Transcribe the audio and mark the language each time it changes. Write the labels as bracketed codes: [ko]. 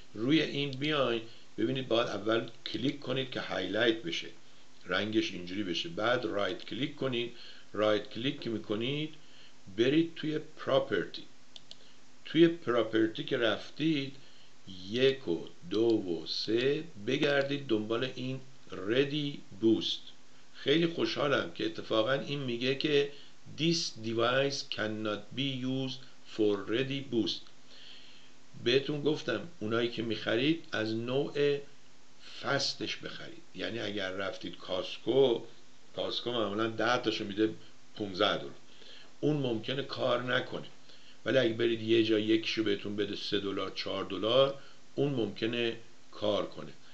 [fa] روی این بیاین ببینید، باید اول کلیک کنید که هایلایت بشه، رنگش اینجوری بشه، بعد رایت کلیک کنید، رایت کلیک که میکنید برید توی پراپرتی، توی پراپرتی که رفتید 1 و 2 و 3 بگردید دنبال این ready boost. خیلی خوشحالم که اتفاقا این میگه که [en] this device cannot be used for ready boost. [fa] بهتون گفتم اونایی که میخرید از نوع فستش بخرید، یعنی اگر رفتید کاسکو معمولا 10 تاشو میده 15 دلار، اون ممکنه کار نکنه، ولی اگه برید یه جا یکیشو بهتون بده 3 دلار 4 دلار، اون ممکنه کار کنه.